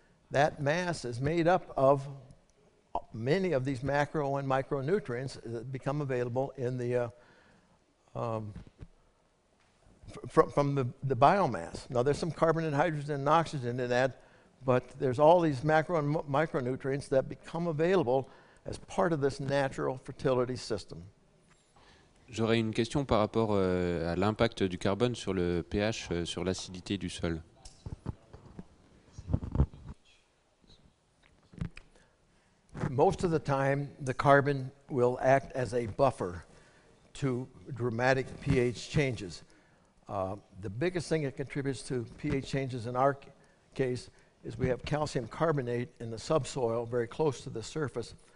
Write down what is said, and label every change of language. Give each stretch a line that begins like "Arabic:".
English: That mass is made up of many of these macro and micronutrients that become available in the from the biomass. Now there's some carbon and hydrogen and oxygen in that, but there's all these macro and micronutrients that become available as part of this natural fertility system.
French: J'aurais une question par rapport à l'impact du carbone sur le pH, sur l'acidité du sol.
English: Most of the time, the carbon will act as a buffer to dramatic pH changes. The biggest thing that contributes to pH changes in our case is we have calcium carbonate in the subsoil very close to the surface.